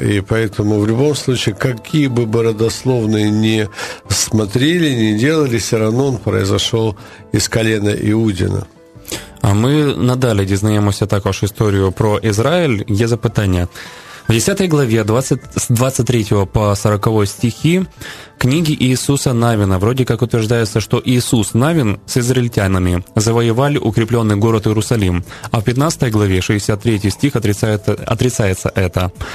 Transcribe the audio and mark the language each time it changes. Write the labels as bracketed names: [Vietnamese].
[Russian] И поэтому в любом случае, какие бы родословные ни смотрели, ни делали, все равно он произошел из колена Иудина. [Ukrainian] А мы надалі дізнаємося також історію про Ізраїль. Є запитання. [Russian] В 10 главе, с 23 по 40 стихи, книги Иисуса Навина, вроде как утверждается, что Иисус Навин с израильтянами завоевали укрепленный город Иерусалим. А в 15 главе, 63 стих, отрицается это.